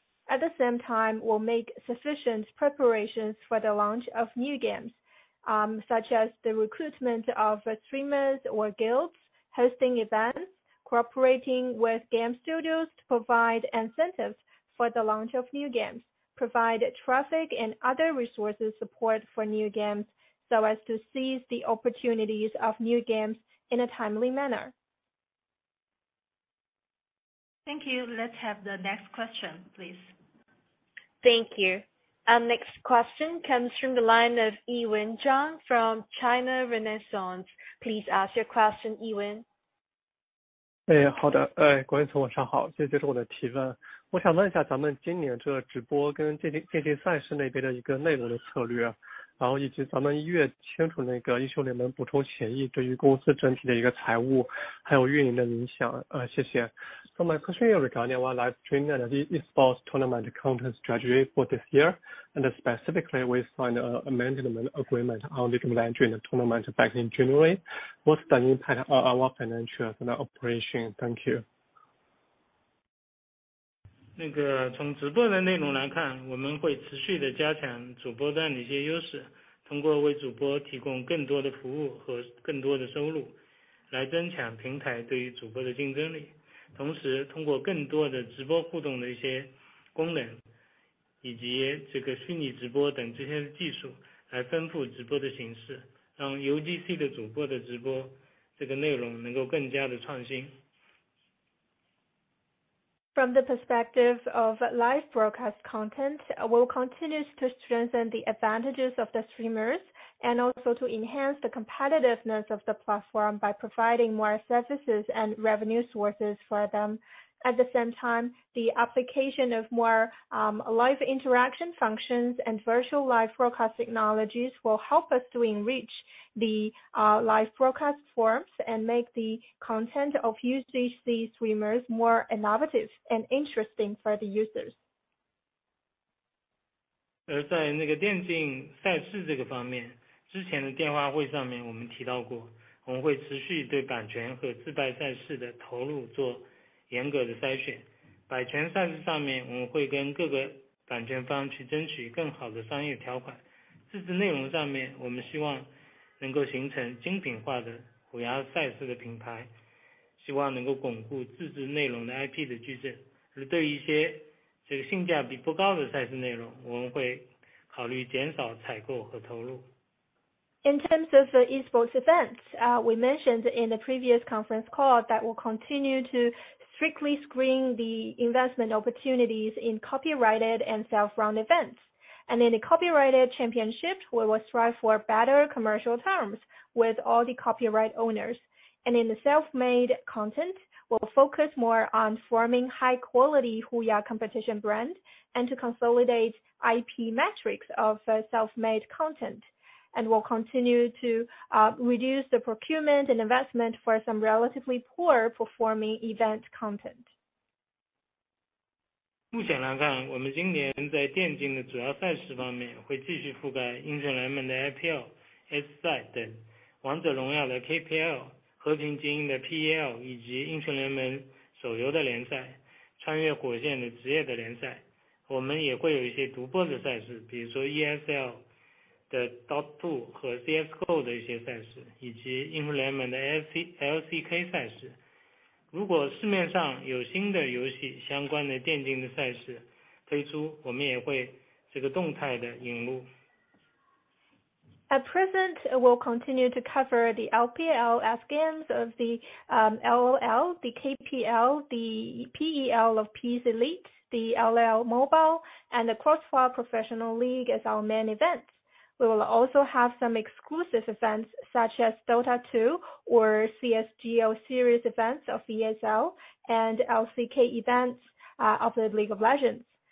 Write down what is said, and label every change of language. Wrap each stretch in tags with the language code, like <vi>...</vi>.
<en>At the same time, we'll make sufficient preparations for the launch of new games, such as the recruitment of streamers or guilds, hosting events, cooperating with game studios to provide incentives for the launch of new games, provide traffic and other resources support for new games so as to seize the opportunities of new games in a timely manner. Thank you. Let's have the next question, please. Thank you. Our next question comes from the line of Yiwen Zhang from China Renaissance. Please ask your question, Yiwen.</en> <zh>哎，好的，管理层晚上好，谢谢接受我的提问。我想问一下咱们今年这直播跟竞技赛事那边的一个内容的策略，然后以及咱们一月签署那个英雄联盟补充协议对于公司整体的一个财务还有运营的影响，谢谢。</zh> <en>So my question is regarding our live stream and the esports tournament content strategy for this year, and specifically we signed an amendment agreement on the Mandarin tournament back in January. What's the impact on our financials and our operation? Thank you.</en> <zh>那个从直播的内容来看，我们会持续的加强主播端的一些优势，通过为主播提供更多的服务和更多的收入，来增强平台对于主播的竞争力。同时通过更多的直播互动的一些功能，以及这个虚拟直播等这些技术来丰富直播的形式，让 UGC 的主播的直播这个内容能够更加的创新。</zh> <en>From the perspective of live broadcast content, we'll continue to strengthen the advantages of the streamers and also to enhance the competitiveness of the platform by providing more services and revenue sources for them. At the same time, the application of more live interaction functions and virtual live broadcast technologies will help us to enrich the live broadcast forms and make the content of UGC streamers more innovative and interesting for the users.</en> <zh>而在那个电竞赛事这个方面，之前的电话会上面我们提到过，我们会持续对版权和自带赛事的投入做严格的筛选，版权赛事上面我们会跟各个版权方去争取更好的商业条款，自制内容上面我们希望能够形成精品化的虎牙赛事的品牌，希望能够巩固自制内容的 IP 的矩阵，而对于一些这个性价比不高的赛事内容，我们会考虑减少采购和投入。</zh> <en>In terms of the esports events, we mentioned in the previous conference call that we'll continue to strictly screen the investment opportunities in copyrighted and self-run events. And in the copyrighted championship, we will strive for better commercial terms with all the copyright owners. And in the self-made content, we'll focus more on forming high-quality HUYA competition brand and to consolidate IP metrics of self-made content. And will continue to reduce the procurement and investment for some relatively poor performing event content.</en> <zh>目前来看，我们今年在电竞的主要赛事方面会继续覆盖英雄联盟的 IPL、S 赛等，王者荣耀的 KPL、和平精英的 PEL 以及英雄联盟手游的联赛、穿越火线的职业的联赛，我们也会有一些独播的赛事，比如说 ESL。的 Dot 2和 CSGO 的一些赛事，以及英雄联盟的 LCK 赛事。如果市面上有新的游戏相关的电竞的赛事推出，我们也会这个动态的引入。</zh> <en>At present, we'll continue to cover the LPL as games of the LOL, the KPL, the PEL of PC Elite, the LOL Mobile, and the Crossfire Professional League as our main events. We will also have some exclusive events such as Dota 2 or CSGO series events of ESL and LCK events of the League of Legends.</en>